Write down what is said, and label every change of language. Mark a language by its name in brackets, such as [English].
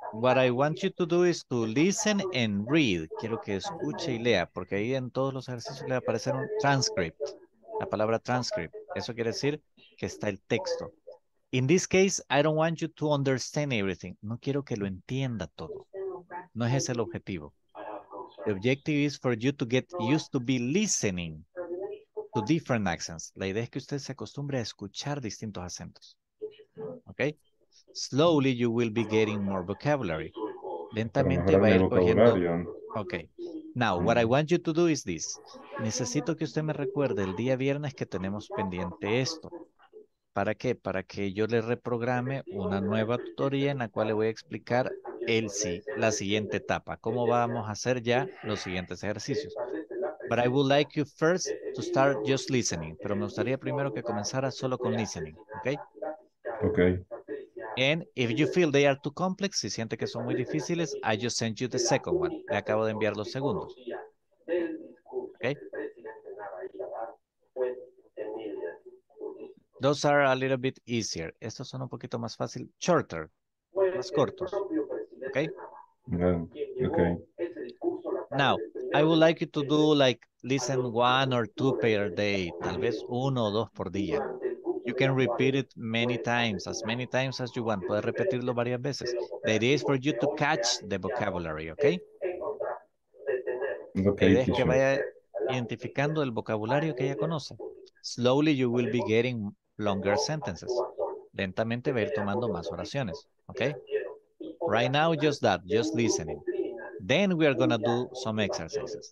[English] What I want you to do is to listen and read. [Spanish] Quiero que escuche y lea, porque ahí en todos los ejercicios le va a aparecer un transcript. La palabra transcript. Eso quiere decir que está el texto. [English] In this case, I don't want you to understand everything. [Spanish] No quiero que lo entienda todo. No es ese el objetivo. [English] The objective is for you to get used to be listening to different accents. [Spanish] La idea es que usted se acostumbre a escuchar distintos acentos. [English] Okay? Slowly you will be getting more vocabulary. [Spanish] Lentamente va a ir cogiendo. Okay. [English] Now, what I want you to do is this. [Spanish] Necesito que usted me recuerde el día viernes que tenemos pendiente esto. ¿Para qué? Para que yo le reprograme una nueva tutoría en la cual le voy a explicar la siguiente etapa. ¿Cómo vamos a hacer ya los siguientes ejercicios? [English] But I would like you first to start just listening. [Spanish] Pero me gustaría primero que comenzara solo con listening, ¿ok? [English] Ok. And if you feel they are too complex, [Spanish] si siente que son muy difíciles, [English] I just sent you the second one. [Spanish] Le acabo de enviar los segundos. ¿Ok? [English] Those are a little bit easier. [Spanish] Estos son un poquito más fácil. [English] Shorter. [Spanish] Más cortos. [English] Okay? Yeah. Okay. Now, I would like you to do like listen one or two per day. [Spanish] Tal vez uno o dos por día. [English] You can repeat it many times as you want. [Spanish] Puedes repetirlo varias veces. [English] The idea is for you to catch the vocabulary, okay? Okay. [Spanish] La idea es que vaya identificando el vocabulario que ya conoce. [English] Slowly you will be getting longer sentences. [Spanish] Lentamente va a ir tomando más oraciones. [English] Okay? Right now, just that. Just listening. Then we are gonna do some exercises.